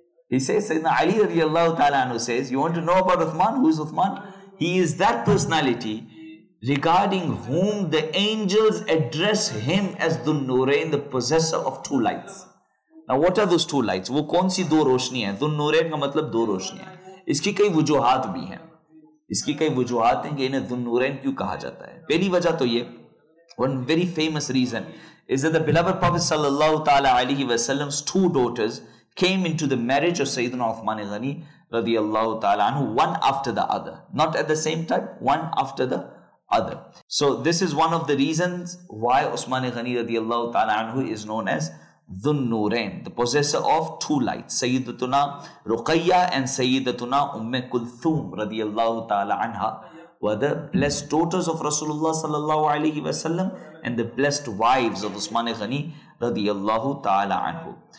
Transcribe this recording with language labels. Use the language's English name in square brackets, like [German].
[English] He says, سیدنا علی رضی اللہ تعالیٰ عنہ says, you want to know about Usman? Who is Usman? He is that personality regarding whom the angels address him as ذوالنورین, the possessor of two lights. Now what are those two lights? [Urdu] وہ کون سی دو روشنی ہیں؟ ذوالنورین کا مطلب دو روشنی ہیں. اس کی کئی وجوہات بھی ہیں. اس کی کئی وجوہات ہیں کہ انہیں ذوالنورین کیوں کہا جاتا ہے. پہلی وجہ تو یہ, [English] one very famous reason is that the beloved Prophet صلی اللہ علیہ وسلم's two daughters came into the marriage of سیدنا عثمان غنی رضی اللہ تعالی عنہ one after the other. Not at the same time, one after the other. So this is one of the reasons why Usman Ghani رضی اللہ تعالی عنہ is known as ذوالنورین, the possessor of two lights, سیدتنا رقیہ and سیدتنا ام کلثوم رضی اللہ تعالی عنہ, were the blessed daughters of رسول اللہ صلی اللہ علیہ وسلم and the blessed wives of Usman Ghani رضی اللہ تعالی عنہ.